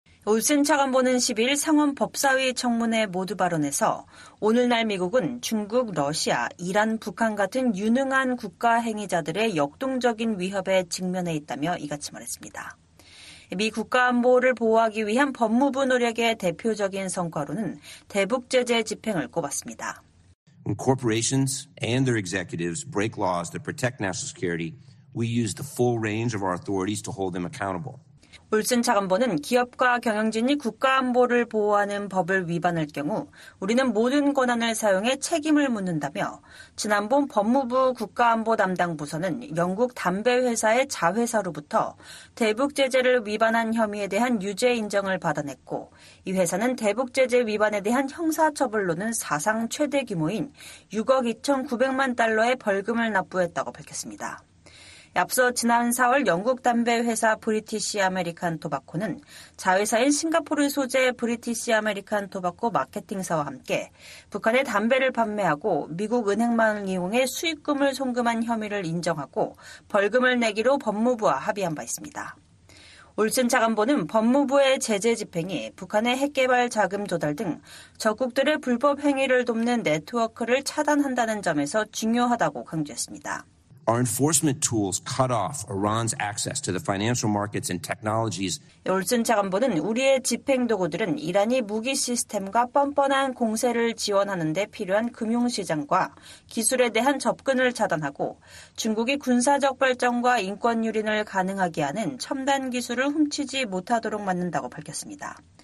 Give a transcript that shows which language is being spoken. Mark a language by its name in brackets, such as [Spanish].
[Korean] 올슨 차관보는 10일 상원 법사위 청문회 모두 발언에서 오늘날 미국은 중국, 러시아, 이란, 북한 같은 유능한 국가 행위자들의 역동적인 위협에 직면해 있다며 이같이 말했습니다. 미 국가안보를 보호하기 위한 법무부 노력의 대표적인 성과로는 대북 제재 집행을 꼽았습니다. [English] Corporations and their executives break laws that protect national security. We use the full range of our authorities to hold them accountable. [Korean] 올슨 차관보는 기업과 경영진이 국가안보를 보호하는 법을 위반할 경우 우리는 모든 권한을 사용해 책임을 묻는다며 지난번 법무부 국가안보 담당 부서는 영국 담배회사의 자회사로부터 대북 제재를 위반한 혐의에 대한 유죄 인정을 받아냈고 이 회사는 대북 제재 위반에 대한 형사처벌로는 사상 최대 규모인 6억 2,900만 달러의 벌금을 납부했다고 밝혔습니다. 앞서 지난 4월 영국 담배회사 브리티시 아메리칸 토바코는 자회사인 싱가포르 소재 브리티시 아메리칸 토바코 마케팅사와 함께 북한에 담배를 판매하고 미국 은행망을 이용해 수익금을 송금한 혐의를 인정하고 벌금을 내기로 법무부와 합의한 바 있습니다. 올슨 차관보는 법무부의 제재 집행이 북한의 핵개발 자금 조달 등 적국들의 불법 행위를 돕는 네트워크를 차단한다는 점에서 중요하다고 강조했습니다. [English] Our enforcement tools cut off Iran's access to the financial markets and technologies. [Korean] 올슨 차관보는 우리의 집행 도구들은 이란이 무기 시스템과 뻔뻔한 공세를 지원하는 데 필요한 금융 시장과 기술에 대한 접근을 차단하고 중국이 군사적 발전과 인권 유린을 가능하게 하는 첨단 기술을 훔치지 못하도록 만든다고 밝혔습니다.